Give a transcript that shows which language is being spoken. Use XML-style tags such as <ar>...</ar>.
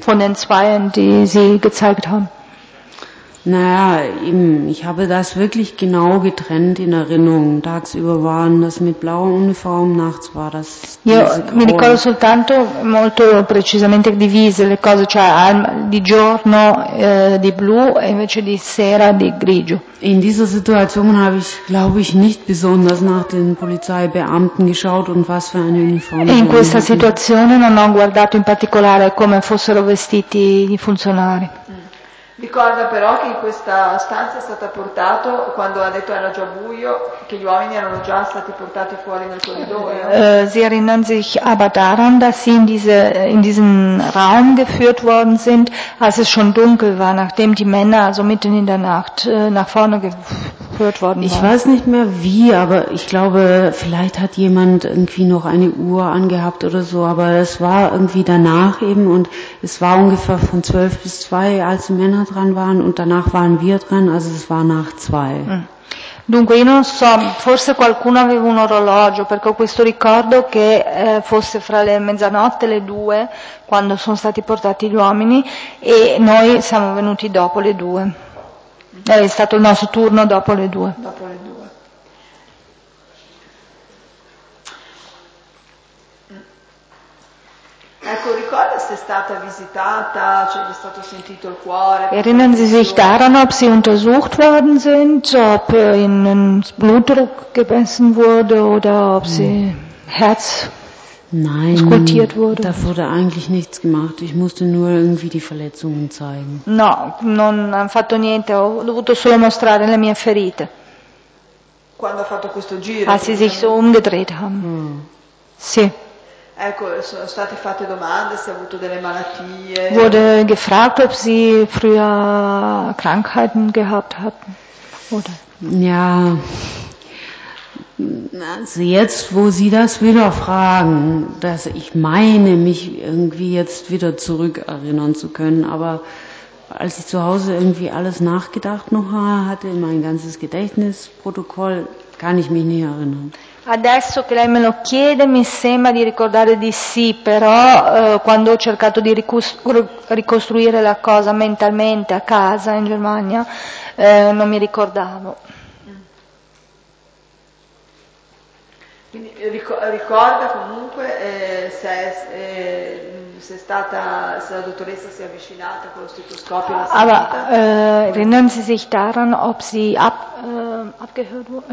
<de>Von den Zweien, die sie gezeigt haben. Naja, eben, ich habe das wirklich genau getrennt in Erinnerung. Tagsüber waren das mit blauer Uniform, nachts war das.</de> <it>Io mi ricordo soltanto molto precisamente divise le cose, cioè di giorno di blu e invece di sera di grigio.</it> <de>In dieser Situation habe ich, glaube ich, nicht besonders nach den Polizeibeamten geschaut und was für eine Uniform.</de> <it>In questa situazione non ho guardato in particolare come fossero vestiti i funzionari. Ricorda però che in questa stanza è stata portato, quando ha detto era già buio, che gli uomini erano già stati portati fuori nel corridoio.</it> <de>Sie erinnern sich aber daran, dass sie in diesen Raum geführt worden sind, als es schon dunkel war, nachdem die Männer also mitten in der Nacht nach vorne geführt worden waren. Ich weiß nicht mehr wie, aber ich glaube, vielleicht hat jemand irgendwie noch eine Uhr angehabt oder so, aber es war irgendwie danach eben und es war ungefähr von 12 bis 2, als die Männer dran waren und danach waren wir dran, also es war nach 2.</de> <it>Dunque, io non so, forse qualcuno aveva un orologio, perché ho questo ricordo che fosse fra le mezzanotte, le 2, quando sono stati portati gli uomini e noi siamo venuti dopo le 2. È stato il nostro turno dopo le 2. Ecco, ricorda se è stata visitata, cioè gli è stato sentito il cuore.</it> <de>Erinnern Sie sich daran, ob sie untersucht worden sind, ob ihnen Blutdruck gemessen wurde oder ob sie Herz skulptiert wurde? Nein, da wurde eigentlich nichts gemacht. Ich musste nur irgendwie die Verletzungen zeigen.</de> <it>No, non hanno fatto niente, ho dovuto solo mostrare le mie ferite. Quando ha fatto questo giro?</it> <de>Als sie sich so umgedreht haben. Mm.</de> <it>Sì. Ecco, sono state fatte domande se ha avuto delle malattie.</it> <de>Wurde gefragt, ob sie früher Krankheiten gehabt hatten, oder? Ja, also jetzt, wo Sie das wieder fragen, dass ich meine, mich irgendwie jetzt wieder zurückerinnern zu können, aber als ich zu Hause irgendwie alles nachgedacht noch hatte, mein ganzes Gedächtnisprotokoll, kann ich mich nicht erinnern.</de> <it>Adesso che lei me lo chiede mi sembra di ricordare di sì, però quando ho cercato di ricostruire la cosa mentalmente a casa in Germania non mi ricordavo. Quindi ricorda comunque se la dottoressa si è avvicinata con lo stetoscopio alla sentita.</it> <de>Aber erinnern Sie sich daran, ob sie abgehört wurde?</de>